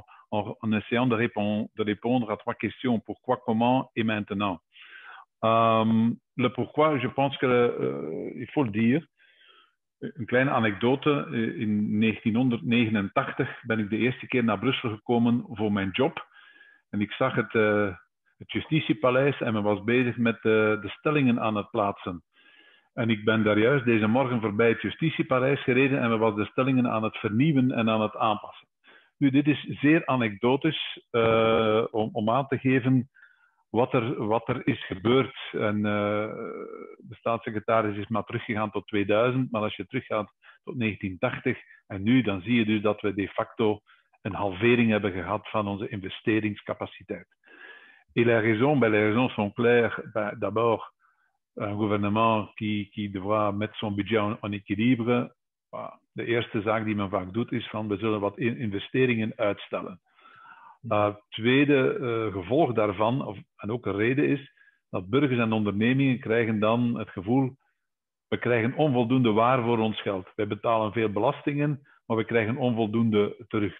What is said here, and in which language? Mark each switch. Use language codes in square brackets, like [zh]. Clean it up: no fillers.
[fr] en essayant de répondre à trois questions. Pourquoi, comment et maintenant. Le pourquoi, je pense que il faut le dire. [nl] Une kleine anekdote. In 1989 ben ik de eerste keer naar Brussel gekomen voor mijn job. En ik zag het Justitiepaleis en men was bezig met de stellingen aan het plaatsen. En ik ben daar juist deze morgen voorbij het Justitiepaleis gereden en men was de stellingen aan het vernieuwen en aan het aanpassen. Nu, dit is zeer anekdotisch om aan te geven wat er is gebeurd. En de staatssecretaris is maar teruggegaan tot 2000, maar als je teruggaat tot 1980 en nu, dan zie je dus dat we de facto een halvering hebben gehad van onze investeringscapaciteit. [fr] Et les raisons, ben les raisons sont claires. Ben, d'abord, un gouvernement qui doit mettre son budget en équilibre. [nl] Ben, de eerste zaak die men vaak doet, is van we zullen wat investeringen uitstellen. Tweede gevolg daarvan, en ook een reden, is dat burgers en ondernemingen krijgen dan het gevoel we krijgen onvoldoende waar voor ons geld. Wij betalen veel belastingen, maar we krijgen onvoldoende terug.